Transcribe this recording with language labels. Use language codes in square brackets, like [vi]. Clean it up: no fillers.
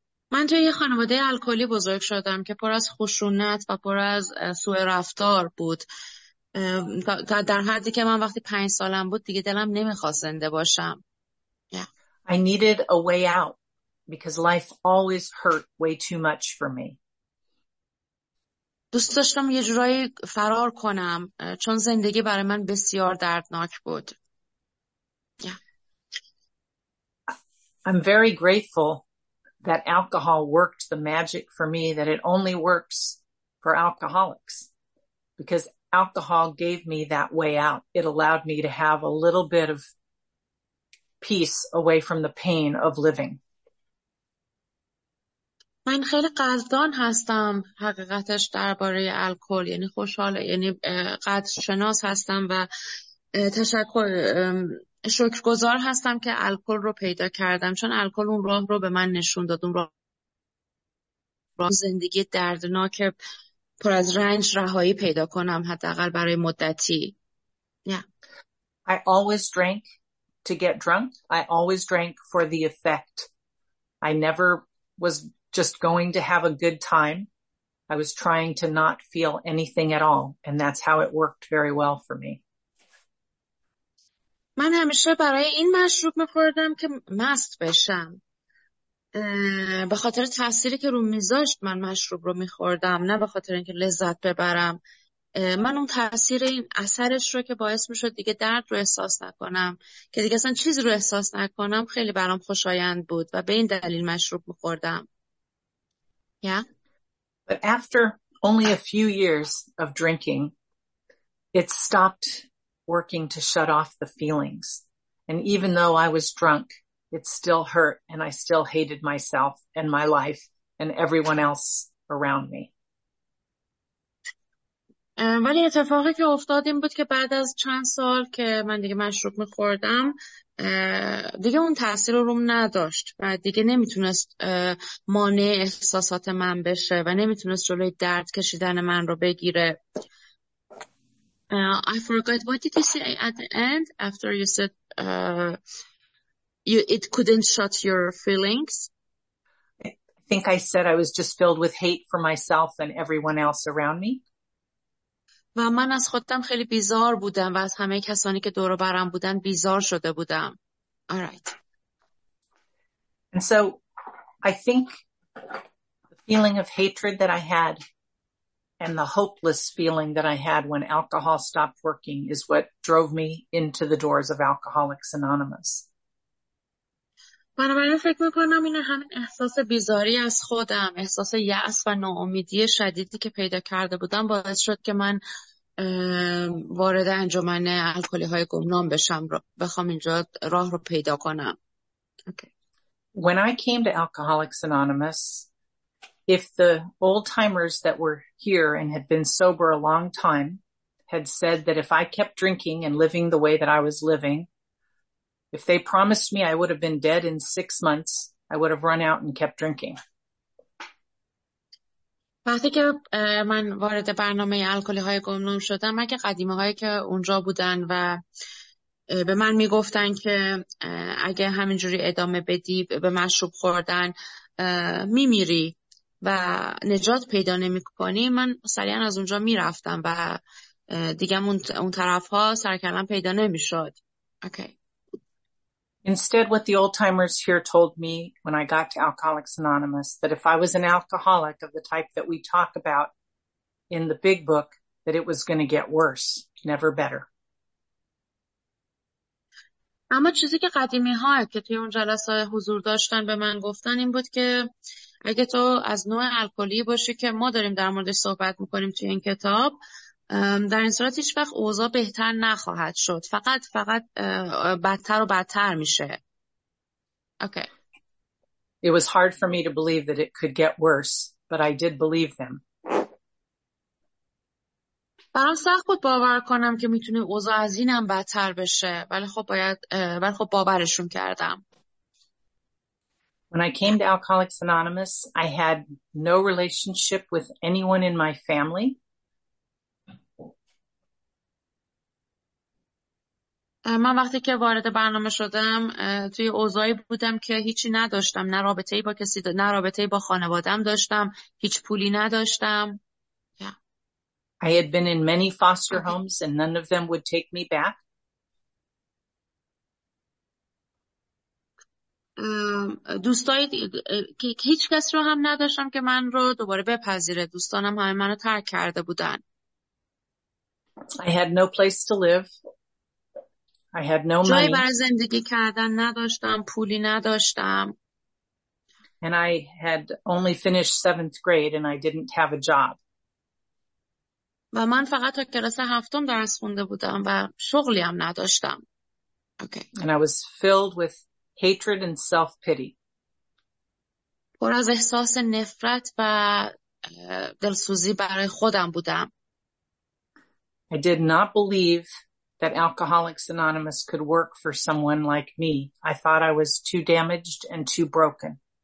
[fa] من توی یه خانواده الکلی بزرگ شدم که پر از خشونت و پر از سوء رفتار بود. تا در حدی که من وقتی 5 سالم بود دیگه دلم نمیخواست زنده باشم. [en] I needed a way out because life always hurt way too much for me. [fa] دوست داشتم یه جورایی فرار کنم چون زندگی برای من بسیار دردناک بود. [en] Yeah. I'm very grateful that alcohol worked the magic for me that it only works for alcoholics because alcohol gave me that way out. It allowed me to have a little bit of peace away from the pain of living. [fa] من خیلی قدردان هستم حقیقتش درباره الکل، یعنی خوشحال، یعنی قدرشناس هستم و تشکر شکرگزار هستم که الکل رو پیدا کردم چون الکل اون راه رو به من نشون داد، اون راه زندگی دردناک پر از رنج رهایی پیدا کنم حداقل برای مدتی. [en] Yeah. I always drank to get drunk. I always drank for the effect. I never was just going to have a good time. I was trying to not feel anything at all, and that's how it worked very well for me. [fa] من همیشه برای این مشروب می‌خوردم که مست بشم. به خاطر تأثیری که رو میذاشت من مشروب رو می‌خوردم، نه به خاطر اینکه لذت ببرم من اون تاثیر این اثرش رو که باعث میشد دیگه درد رو احساس نکنم، که دیگه اصلا چیز رو احساس نکنم، خیلی برام خوشایند بود و به این دلیل مشروب می‌خوردم. [en] Yeah. But after only a few years of drinking, it stopped working to shut off the feelings. And even though I was drunk, it still hurt and I still hated myself and my life and everyone else around me. [fa] ولی اتفاقی که افتاد این بود که بعد از چند سال که من دیگه مشروب می‌خوردم، دیگه اون تأثیر رو روم نداشت و دیگه نمیتونست مانع احساسات من بشه و نمیتونست جلوی درد کشیدن من رو بگیره. [en] I forgot what did you say at the end after you said it couldn't shut your feelings. I think I said I was just filled with hate for myself and everyone else around me. [fa] و من از خودم خیلی بیزار بودم و از همه کسانی که دور و برم بودن بیزار شده بودم. [en] All right. And so I think the feeling of hatred that I had and the hopeless feeling that I had when alcohol stopped working is what drove me into the doors of Alcoholics Anonymous. [fa] بنابراین فکر میکنم این همین احساس بیزاری از خودم، احساس یأس و ناامیدی شدیدی که پیدا کرده بودم باعث شد که من وارد انجمن الکلی های گمنام بشم رو بخوام اینجا راه رو پیدا کنم. [en] Okay. When I came to Alcoholics Anonymous, if the old timers that were here and had been sober a long time had said that if I kept drinking and living the way that I was living, if they promised me I would have been dead in 6 months, I would have run out and kept drinking. [fa] وقتی که من وارد برنامه الکلی های گمنام شدم، مگه قدیمه هایی که اونجا بودن و به من میگفتن که اگه همینجوری ادامه بدی به مشروب خوردن میمیری و نجات پیدا نمی کنی، من سریعا از اونجا میرفتم و دیگه اون طرف ها سرکلم پیدا نمی شد. [en] Okay. Instead, what the old timers here told me when I got to Alcoholics Anonymous, that if I was an alcoholic of the type that we talk about in the big book, that it was going to get worse, never better. [fa] اما چیزی که قدیمی ها که توی اون جلسه حضور داشتن به من گفتن این بود که اگه تو از نوع الکلی باشی که ما داریم در موردش صحبت میکنیم توی این کتاب، در این صورت هیچ وقت اوضاع بهتر نخواهد شد، فقط بدتر و بدتر میشه. [en] Okay. It was hard for me to believe that it could get worse, but I did believe them. [fa] برام سخت بود باور کنم که میتونه اوضاع از اینم بدتر بشه، ولی خب باورشون کردم. [en] When I came to Alcoholics Anonymous, I had no relationship with anyone in my family. [fa] من وقتی که وارد برنامه شدم توی اوضاعی بودم که هیچی نداشتم، نه رابطه‌ای با کسی، نه رابطه‌ای با خانواده‌ام داشتم، هیچ پولی نداشتم. [en] I had been in many foster homes and none of them would take me back. [fa] دوستایی که هیچ کس رو هم نداشتم که من رو دوباره بپذیره، دوستانم همه منو ترک کرده بودن. [en] I had no place to live. I had no money. [fa] جایی برای زندگی کردن نداشتم، پولی نداشتم. [en] And I had only finished seventh grade and I didn't have a job. [fa] و من فقط تا کلاس هفتم درس خونده بودم و شغلی هم نداشتم. [en] Okay. And I was filled with hatred and self-pity. [fa] پر از احساس نفرت و دلسوزی برای خودم بودم. [en] I did not believe that Alcoholics Anonymous could work for someone like me. I thought I was too damaged and too broken.